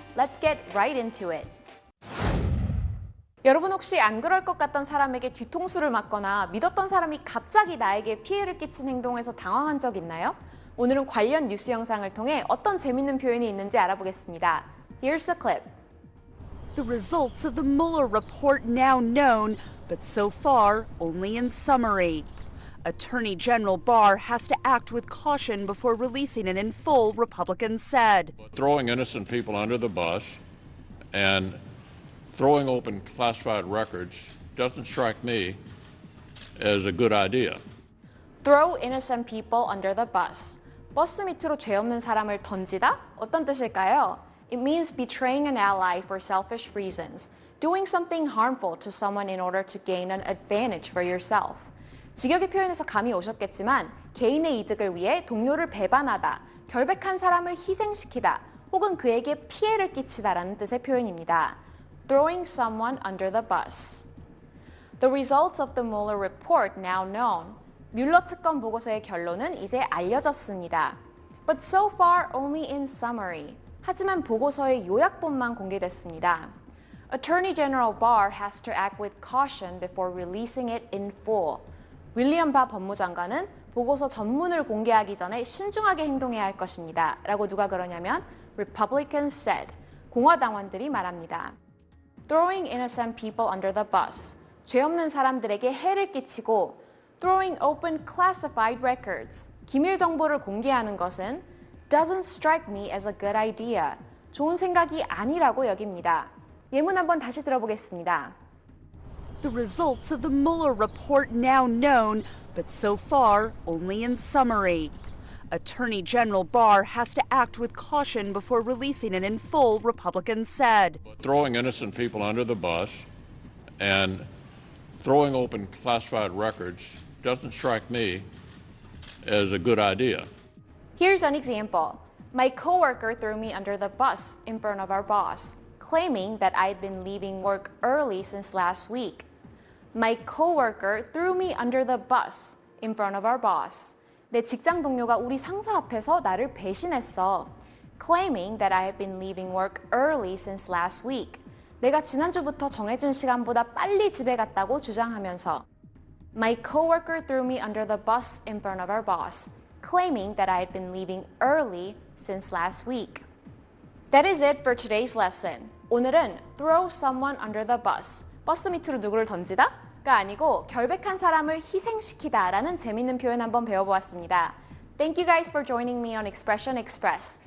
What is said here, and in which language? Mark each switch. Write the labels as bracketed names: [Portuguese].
[English] Let's get right into it. [Korean] 여러분 혹시 안 그럴 것 같던 사람에게 뒤통수를 맞거나 믿었던 사람이 갑자기 나에게 피해를 끼친 행동에서 당황한 적 있나요? 오늘은 관련 뉴스 영상을 통해 어떤 재밌는 표현이 있는지 알아보겠습니다. [English] Here's a clip. The results of the Mueller report now known, but so far only in summary. Attorney General Barr has to act with caution before releasing it in full, Republicans said. Throwing innocent people under the bus and throwing open classified records doesn't strike me as a good idea. Throw innocent people under the bus. [Korean] 버스 밑으로 죄 없는 사람을 던지다? 어떤 뜻일까요? [English] It means betraying an ally for selfish reasons, doing something harmful to someone in order to gain an advantage for yourself. [Korean] 직역의 표현에서 감이 오셨겠지만 개인의 이득을 위해 동료를 배반하다, 결백한 사람을 희생시키다, 혹은 그에게 피해를 끼치다라는 뜻의 표현입니다. [English] Throwing someone under the bus. The results of the Mueller report now known. [Korean] 뮬러 특검 보고서의 결론은 이제 알려졌습니다. [English] But so far only in summary. [Korean] 하지만 보고서의 요약본만 공개됐습니다. [English] Attorney General Barr has to act with caution before releasing it in full. [Korean] 윌리엄 바 법무장관은 보고서 전문을 공개하기 전에 신중하게 행동해야 할 것입니다. 라고 누가 그러냐면 [English] Republicans said, [Korean] 공화당원들이 말합니다. [English] Throwing innocent people under the bus, [Korean] 죄 없는 사람들에게 해를 끼치고 [English] Throwing open classified records, [Korean] 기밀 정보를 공개하는 것은 [English] Doesn't strike me as a good idea, [Korean] 좋은 생각이 아니라고 여깁니다. 예문 한번 다시 들어보겠습니다. [English] The results of the Mueller report now known, but so far only in summary. Attorney General Barr has to act with caution before releasing it in full, Republicans said. Throwing innocent people under the bus and throwing open classified records doesn't strike me as a good idea. Here's an example. My coworker threw me under the bus in front of our boss, claiming that I'd been leaving work early since last week. My coworker threw me under the bus in front of our boss. [Korean] 내 직장 동료가 우리 상사 앞에서 나를 배신했어. [English] Claiming that I had been leaving work early since last week. [Korean] 내가 지난주부터 정해진 시간보다 빨리 집에 갔다고 주장하면서. [English] My coworker threw me under the bus in front of our boss. Claiming that I had been leaving early since last week. That is it for today's lesson. [Korean] 오늘은 [English] throw someone under the bus. [Korean] 버스 밑으로 누구를 던지다? 가 아니고 결백한 사람을 희생시키다 라는 재밌는 표현 한번 배워보았습니다. [English] Thank you guys for joining me on Expression Express.